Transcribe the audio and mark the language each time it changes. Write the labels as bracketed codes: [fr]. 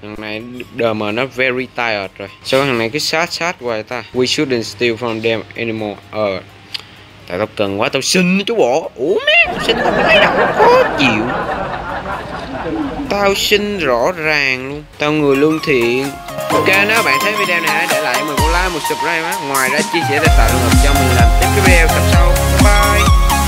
[vi] Thằng này DM nó [en] very tired [vi] rồi. Sao thằng này cứ sát hoài ta. [en] We shouldn't steal from them anymore. [vi] Tại tao cần quá tao xin chú bộ. Ủa mẹ tao xin tao lấy đâu khó chịu. Tao xin rõ ràng luôn. Tao người lương thiện. Ok nếu bạn thấy video này hãy để lại một like, một subscribe á. Ngoài ra chia sẻ để tạo động lực cho mình làm tiếp cái video tập sau. Bye.